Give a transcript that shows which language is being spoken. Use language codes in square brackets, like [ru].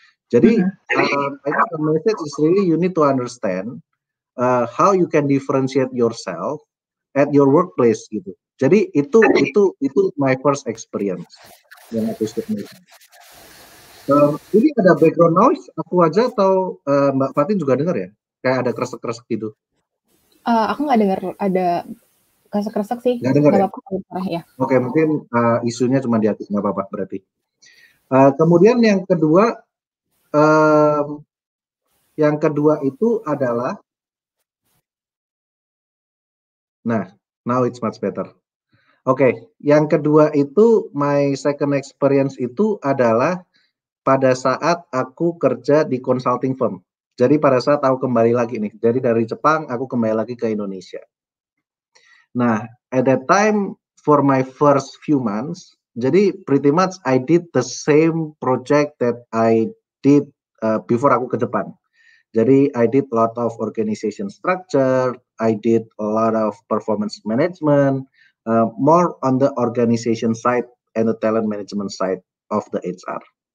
[en] Jadi, I think the message is really you need to understand how you can differentiate yourself at your workplace gitu. [id] Jadi itu [en] my first experience [id] yang aku sebutkan. Ini ada background noise aku aja atau Mbak Fatin juga dengar ya? Kayak ada kresek-kresek gitu. Aku nggak dengar ada kresek-kresek sih. Nggak dengar ya? Ya. Oke, mungkin isunya cuma di hati, nggak apa-apa berarti. Kemudian yang kedua. Yang kedua itu adalah, nah, [en] now it's much better. [id] Oke, yang kedua itu, [en] my second experience [id] itu adalah pada saat aku kerja di consulting firm. Jadi pada saat aku kembali lagi nih, jadi dari Jepang aku kembali lagi ke Indonesia. [en] Nah, at that time for my first few months, jadi pretty much I did the same project that I did before [id] aku ke Jepang. [en] Jadi I did a lot of organization structure, I did a lot of performance management, more on the organization side and the talent management side of the HR.